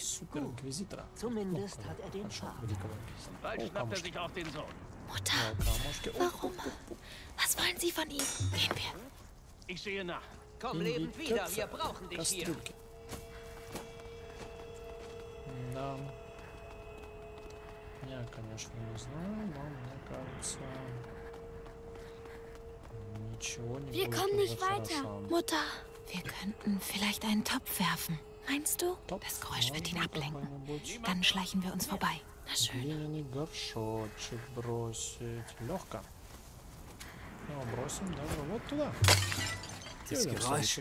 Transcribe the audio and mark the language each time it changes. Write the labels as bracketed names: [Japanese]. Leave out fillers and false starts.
[German] Superinquisitor. Zumindest hat er den Schaden. Bald schnappt er sich auf den Sohn. Mutter, warum? Was wollen Sie von ihm? Gehen wir. Ich sehe nach. Komm lebend wieder, wir brauchen dich hier. [Russian] Да. Я, конечно, не знаю, но мне кажется, ничего не [German] wir [Russian] будет [German] nicht weiter, Mutter. Wir könnten vielleicht einen Topf werfen. Meinst du? Topf. Das Geräusch wird ihn ablenken. Dann schleichen wir uns vorbei. Na schön. [Russian] Горшочек бросить. Легко. Ну, бросим, да, вот туда. [German] Das Geräusch.